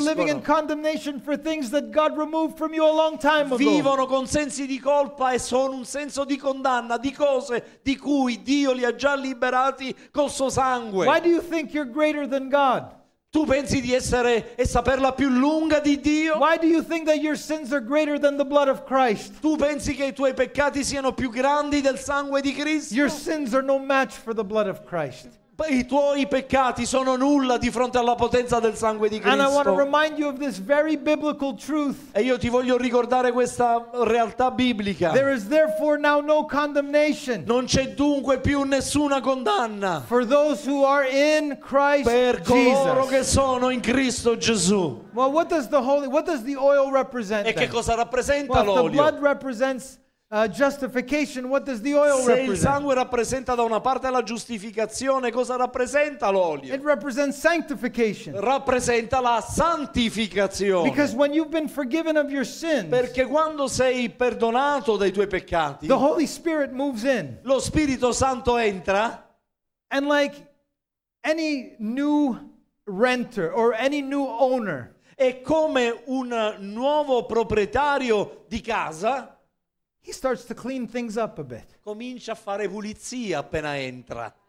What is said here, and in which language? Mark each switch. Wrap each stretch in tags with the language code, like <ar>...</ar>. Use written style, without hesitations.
<en>You're living in condemnation for things that God removed from you a long time ago.</en> <it>Vivono con sensi di colpa e sono un senso di condanna di cose di cui Dio li ha già liberati col suo sangue.</it> <en>Why do you think you're greater than God?</en> <it>Tu pensi di essere e saperla più lunga di Dio?</it> <en>Why do you think that your sins are greater than the blood of Christ?</en> <it>Tu pensi che i tuoi peccati siano più grandi del sangue di Cristo?</it> <en>Your sins are no match for the blood of Christ.</en> <it>I tuoi peccati sono nulla di fronte alla potenza del sangue di Cristo.</it> <en>And I want to remind you of this very biblical truth.</en> <it>E io ti voglio ricordare questa realtà biblica.</it> <en>There is therefore now no condemnation.</en> <it>Non c'è dunque più nessuna condanna.</it> <en>For those who are in Christ</en> <it>per</it> <en>Jesus.</en> <it>Coloro che sono in Cristo Gesù.</it> <en>Well, what does the holy, what does the oil represent?</en> <it>E che cosa rappresenta</it> <en>well,</en> <it>l'olio?</it> <en>The blood represents justification. What does the oil</en> <it>se</it> <en>represent?</en> <it>Il sangue rappresenta da una parte la giustificazione, cosa rappresenta l'olio?</it> <en>It represents sanctification.</en> <it>Rappresenta la santificazione.</it> <en>Because when you've been forgiven of your sins,</en> <it>perché quando sei perdonato dei tuoi peccati,</it> <en>the Holy Spirit moves in.</en> <it>Lo Spirito Santo entra.</it> <en>And like any new renter or any new owner,</en> <it>è come un nuovo proprietario di casa.</it> <en>He starts to clean things up a bit.</en> <it>Comincia a fare pulizia appena entra.</it>